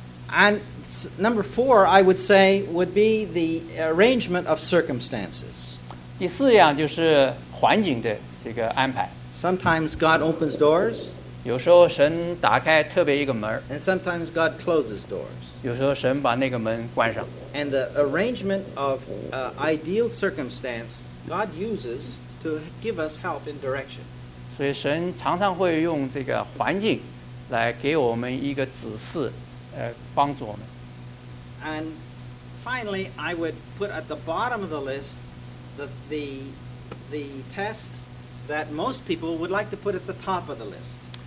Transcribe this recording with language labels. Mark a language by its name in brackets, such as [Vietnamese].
[English] And number four, I would say, would be the arrangement of circumstances. [Chinese] 第四样就是环境的这个安排。 [English] Sometimes God opens doors. [Chinese] 有时候神打开特别一个门。 [English] And sometimes God closes doors. [Chinese] 有时候神把那个门关上。 [English] And the arrangement of ideal circumstance God uses to give us help in direction. [Chinese] 所以神常常会用这个环境来给我们一个指示，帮助我们。 [English] And finally, I would put at the bottom of the list the test that most people would like to put at the top of the list.